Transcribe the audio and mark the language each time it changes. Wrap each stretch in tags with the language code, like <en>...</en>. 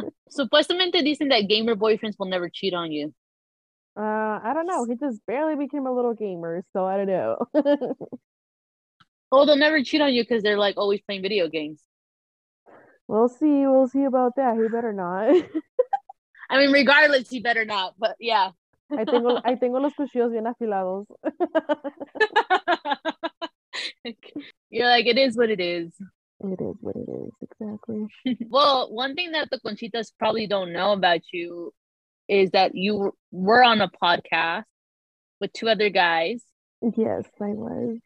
<es>Supuestamente dicen</es> <en>that gamer boyfriends will never cheat on you. I don't know. He just barely became a little gamer, so I don't know. Oh, they'll never cheat on you because they're, like, always playing video games. We'll see. We'll see about that. He better not. I mean, regardless, he better not. But yeah.</en> <es>I tengo los cuchillos bien afilados.</es> <en>You're like, it is what it is. It is what it is, exactly. Well, one thing that the Conchitas probably don't know about you is that you were on a podcast with two other guys. Yes, I was.</en>